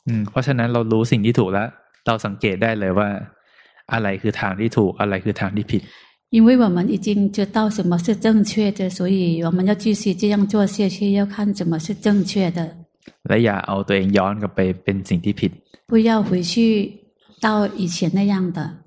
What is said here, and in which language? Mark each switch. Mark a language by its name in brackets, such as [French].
[Thai] เพราะฉะนั้นเรารู้สิ่งที่ถูกแล้วเราสังเกตได้เลยว่าอะไรคือทางที่ถูกอะไรคือทางที่ผิด [Chinese] 因为我们已经知道什么是正确的，所以我们要继续这样做下去，要看什么是正确的。 [Thai] และอย่าเอาตัวเองย้อนกลับไปเป็นสิ่งที่ผิด [Chinese] 不要回去到以前那样的。